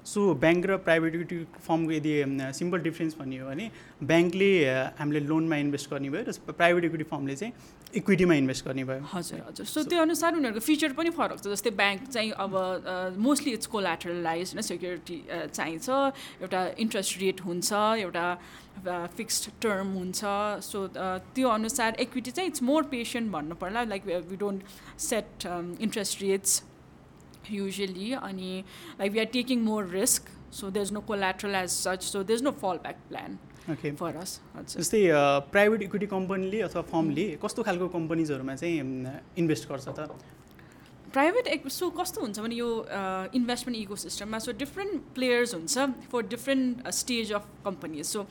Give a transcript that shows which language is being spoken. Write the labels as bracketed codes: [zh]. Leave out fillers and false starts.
[ne] So bank र private equity फर्मको यदि simple difference भनियो भने, ब्याङ्कले हामीले लोनमा इन्भेस्ट गर्ने भयो र प्राइभेट इक्विटी फर्मले चाहिँ इक्विटीमा इन्भेस्ट गर्ने भयो. हजुर हजुर. सो त्यो अनुसार उनीहरूको फिचर पनि फरक छ. जस्तै ब्याङ्क चाहिँ अब [en] mostly it's collateralize [ne] होइन, सेक्युरिटी चाहिन्छ, एउटा इन्ट्रेस्ट रेट हुन्छ, एउटा फिक्स्ड टर्म हुन्छ. सो त्यो अनुसार इक्विटी चाहिँ [en] it's more patient [ne] भन्नु पर्ला. [en] Like we don't set interest rates usually, अनि like we are taking more risk. So there is no collateral as such, so there is no fall back plan. Okay, फरस. [ne] हजुर. जस्तै private equity कम्पनीले अथवा फर्मले कस्तो खालको कम्पनीजहरूमा चाहिँ इन्भेस्ट गर्छ त प्राइभेट एक. सो कस्तो हुन्छ भने यो [en] Investment eco सिस्टममा so different players हुन्छ for different stage of companies.